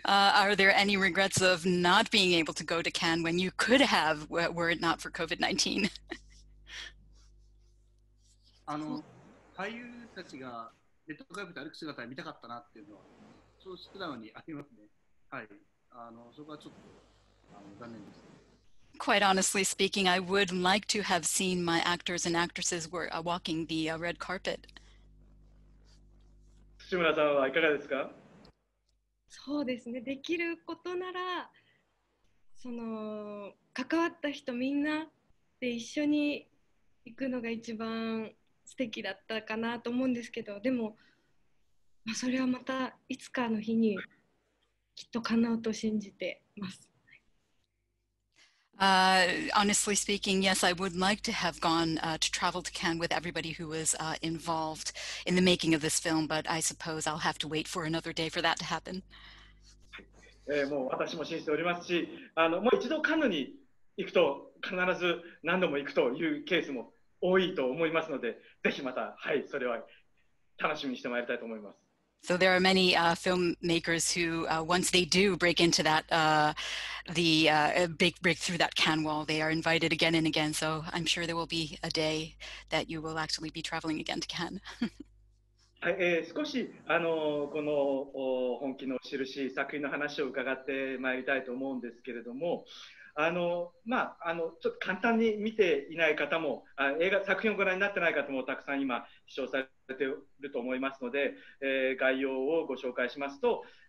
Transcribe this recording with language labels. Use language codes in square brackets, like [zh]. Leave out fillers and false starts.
[en] Are there any regrets of not being able to go to Cannes when you could have were it not for COVID-19? [ja] 俳優たちがレッドカーペット歩く姿を見たかったなっていうのはそう素直にありますね。はい、そこはちょっと残念です。 [en] Quite honestly speaking, I would like to have seen my actors and actresses were walking the red carpet. [ja] 土村さんはいかがですか？そうですね。できることなら、その関わった人みんなで一緒に行くのが一番素敵だったかなと思うんですけど、でも、まあ、それはまたいつかの日にきっと叶うと信じてます。 [en] Honestly speaking, yes, I would like to have gone to travel to Cannes with everybody who was involved in the making of this film, but I suppose I'll have to wait for another day for that to happen. [ja] もう私も信じておりますし、もう一度カンヌに行くと必ず何度も行くというケースも多いと思いますので、ぜひまた、はい、それは楽しみにしてまいりたいと思います。 [en] So there are many filmmakers who, once they do break into that, break through that Cannes wall, they are invited again and again. So I'm sure there will be a day that you will actually be traveling again to Cannes. [ja] 、はい、少し、この本気の印、作品の話を伺ってまいりたいと思うんですけれども、ちょっと簡単に見ていない方も、映画、作品をご覧になってない方もたくさん今、視聴されていると思いますので、概要をご紹介しますと、